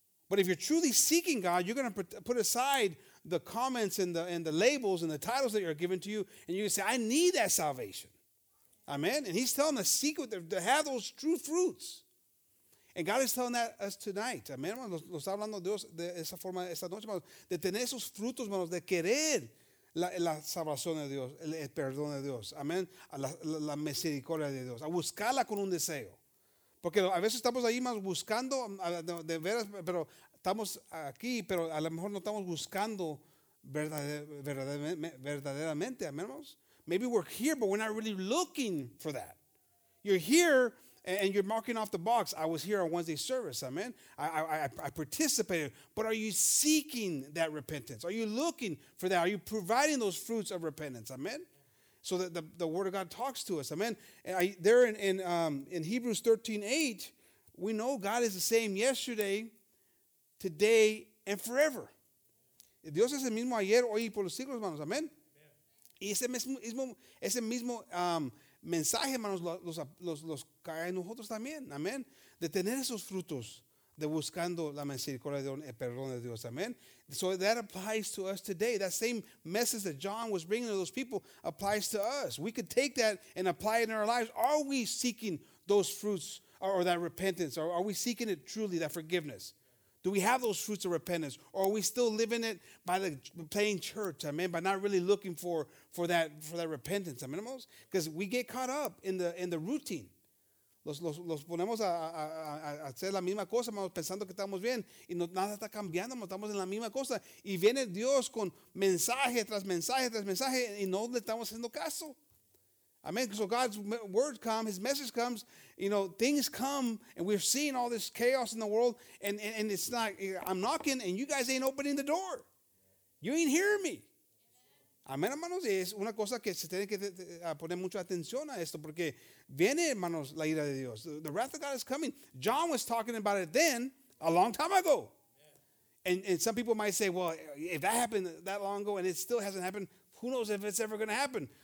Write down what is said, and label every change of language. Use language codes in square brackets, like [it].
[en] But if you're truly seeking God, you're going to put aside the comments and the labels and the titles that are given to you, and you're going to say, I need that salvation. Amen? And he's telling the secret to have those true fruits. And God is telling that us tonight. Amen, hermanos? [es] Lo está hablando Dios de esa forma esta noche, hermanos. De tener esos frutos, hermanos, de querer la salvación de Dios, el perdón de Dios. Amen? La misericordia de Dios. A buscarla con un deseo. Porque a veces estamos ahí más buscando, de veras, pero estamos aquí, pero a lo mejor no estamos buscando verdaderamente, amén, hermanos. [en] Maybe we're here, but we're not really looking for that. You're here, and you're marking off the box. I was here on Wednesday service, amen. I participated, but are you seeking that repentance? Are you looking for that? Are you providing those fruits of repentance, amen? So that the Word of God talks to us. Amen. In Hebrews 13:8, we know God is the same yesterday, today, and forever. [es] Dios es el mismo ayer, hoy y por los siglos, hermanos. Amen. Y ese mismo mensaje, hermanos, los cae en nosotros también. Amen. De tener esos frutos de buscando la misericordia de Dios, el perdón de Dios. [en] Amen. So that applies to us today. That same message that John was bringing to those people applies to us. We could take that and apply it in our lives. Are we seeking those fruits or that repentance? Or are we seeking it truly, that forgiveness? Do we have those fruits of repentance? Or are we still living it by the playing church, amen, by not really looking for that repentance, amen, hermanos? Because we get caught up in the routine. [es] Los ponemos a hacer la misma cosa, hermanos, pensando que estamos bien. Y no, nada está cambiando, hermanos, estamos en la misma cosa. Y viene Dios con mensaje tras mensaje tras mensaje y no le estamos haciendo caso. [en] Amen. So God's word comes, his message comes. You know, things come and we're seeing all this chaos in the world. And it's not, I'm knocking and you guys ain't opening the door. You ain't hearing me. [es] Amén, hermanos, es una cosa que se tiene que poner mucha atención a esto, porque viene, hermanos, la ira de Dios. [en] The wrath of God is coming. John was talking about it then, a long time ago. Yeah. And some people might say, well, if that happened that long ago and it still hasn't happened, who knows if it's ever going to happen?